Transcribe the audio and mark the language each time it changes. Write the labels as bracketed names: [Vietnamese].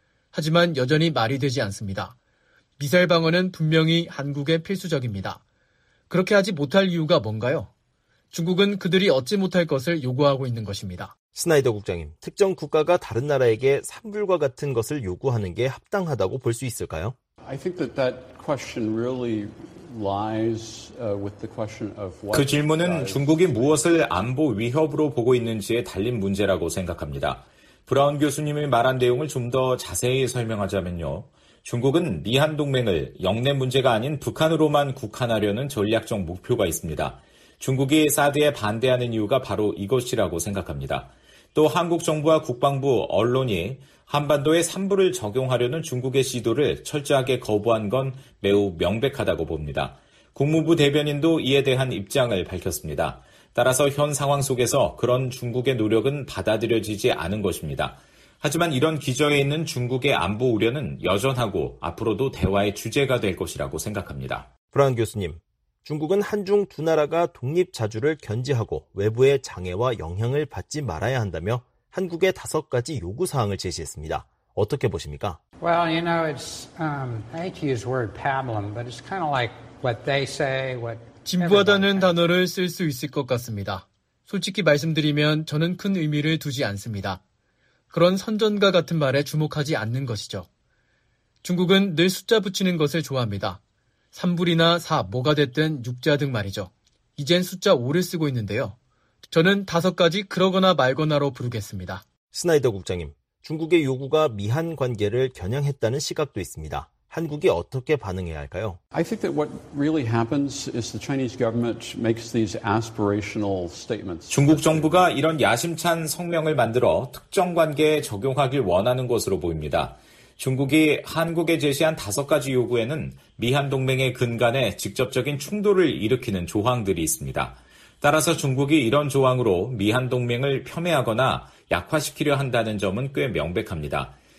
[Korean] 하지만 여전히 말이 되지 않습니다. 미사일 방어는 분명히 한국에 필수적입니다. 그렇게 하지 못할 이유가 뭔가요? 중국은 그들이 얻지 못할 것을 요구하고 있는 것입니다. 스나이더 국장님, 특정 국가가 다른 나라에게 산불과 같은 것을 요구하는 게 합당하다고 볼 수 있을까요? [English] I think that that question really lies with the question of what [Korean] 그 질문은 중국이 무엇을 안보 위협으로 보고 있는지에 달린 문제라고 생각합니다. 브라운 교수님이 말한 내용을 좀 더 자세히 설명하자면요. 중국은 미한 동맹을 영내 문제가 아닌 북한으로만 국한하려는 전략적 목표가 있습니다. 중국이 사드에 반대하는 이유가 바로 이것이라고 생각합니다. 또 한국 정부와 국방부, 언론이 한반도에 산불을 적용하려는 중국의 시도를 철저하게 거부한 건 매우 명백하다고 봅니다. 국무부 대변인도 이에 대한 입장을 밝혔습니다. 따라서 현 상황 속에서 그런 중국의 노력은 받아들여지지 않은 것입니다. 하지만 이런 기저에 있는 중국의 안보 우려는 여전하고 앞으로도 대화의 주제가 될 것이라고 생각합니다. 브라운 교수님, 중국은 한중 두 나라가 독립 자주를 견지하고 외부의 장애와 영향을 받지 말아야 한다며 한국의 다섯 가지 요구 사항을 제시했습니다. 어떻게 보십니까? [English] Well, you know, it's I hate to use word pablum, but it's kind of like what they say. What [Korean] 진부하다는 단어를 쓸 수 있을 것 같습니다. 솔직히 말씀드리면 저는 큰 의미를 두지 않습니다. 그런 선전과 같은 말에 주목하지 않는 것이죠. 중국은 늘 숫자 붙이는 것을 좋아합니다. 3불이나 4, 뭐가 됐든 6자 등 말이죠. 이젠 숫자 5를 쓰고 있는데요. 저는 다섯 가지 그러거나 말거나로 부르겠습니다. 스나이더 국장님, 중국의 요구가 미한 관계를 겨냥했다는 시각도 있습니다. 한국이 어떻게 반응해야 할까요? [English] I think that what really happens is the Chinese government makes these aspirational statements. [Korean] 중국 정부가 이런 야심찬 성명을 만들어 특정 관계에 적용하길 원하는 것으로 보입니다. 중국이 한국에 제시한 다섯 가지 요구에는 미한 동맹의 근간에 직접적인 충돌을 일으키는 조항들이 있습니다. 따라서 중국이 이런 조항으로 미한 동맹을 폄훼하거나 약화시키려 한다는 점은 꽤 명백합니다.